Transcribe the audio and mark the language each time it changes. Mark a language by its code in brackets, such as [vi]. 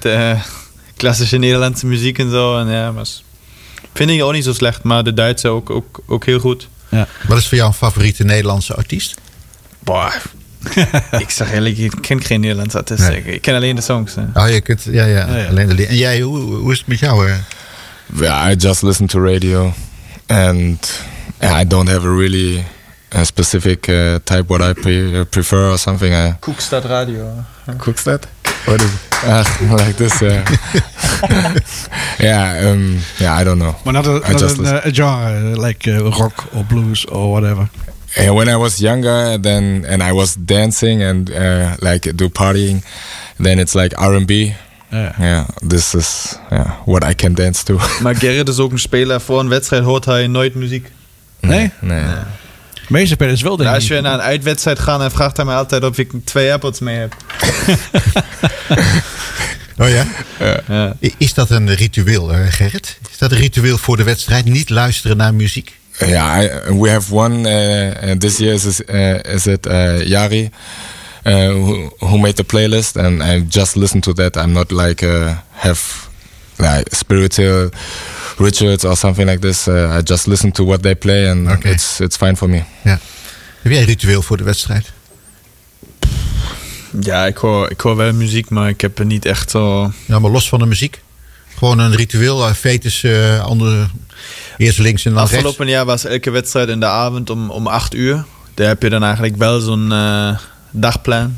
[nl] Met, klassische Nederlandse muziek en zo. En ja, was, vind ik ook niet zo slecht. Maar de Duitse ook heel goed. Ja. Wat is voor jou een favoriete Nederlandse artiest? Boah. Ik zeg eerlijk, ik ken geen Nederlands artiest. Nee. Ik ken alleen de songs. Alleen de en jij, hoe is het met jou? [en] I just listen to radio. And I don't have a really a specific type what I prefer or something. Koekstad Radio. Koekstad? What is it? Like this, yeah. I don't know. [nl] Maar [en] not a genre, like rock or blues or whatever. And when I was younger, then and I was dancing and do partying, then it's like R&B. This is what I can dance to. [nl] Maar Gerrit is ook een speler. Voor een wedstrijd hoort hij nooit muziek. Nee. Meeste spelers wel. Als je naar een uitwedstrijd gaat, dan vraagt hij me altijd of ik twee AirPods mee heb. Oh ja? Ja. Is dat een ritueel, Gerrit? Is dat een ritueel voor de wedstrijd? Niet luisteren naar muziek? [en] Yeah, we have one this year. Is it Yari who made the playlist? And I just listen to that. I'm not like spiritual rituals or something like this. I just listen to what they play, and it's fine for me. Yeah. [nl] Heb jij een ritueel voor de wedstrijd? Ja, ik hoor wel muziek, maar ik heb er niet echt zo. Ja, maar los van de muziek, gewoon een ritueel, fetus, andere. Eerst links en dan rechts. Afgelopen jaar was elke wedstrijd in de avond om 8:00. Daar heb je dan eigenlijk wel zo'n dagplan.